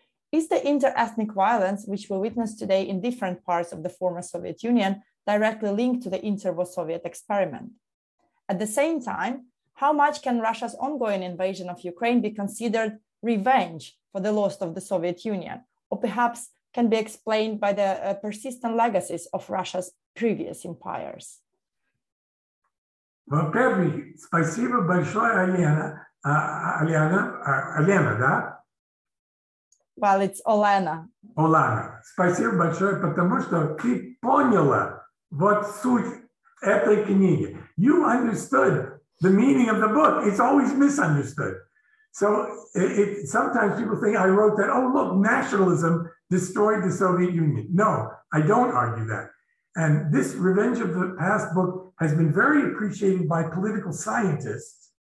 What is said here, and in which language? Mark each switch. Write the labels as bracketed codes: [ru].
[en] Is the inter-ethnic violence, which we witness today in different parts of the former Soviet Union, directly linked to the inter-Soviet experiment? At the same time, how much can Russia's ongoing invasion of Ukraine be considered revenge for the loss of the Soviet Union, or perhaps can be explained by the persistent legacies of Russia's previous empires? Well, [ru] первый, спасибо большое, Алена, да? [en] Well, it's Olena. [ru] Olena, спасибо большое, потому что ты поняла вот суть этой книги. [en] You understood the meaning of the book. It's always misunderstood. So sometimes people think I wrote that, oh, look, nationalism destroyed the Soviet Union. No, I don't argue that. And this Revenge of the Past book has been very appreciated by political scientists.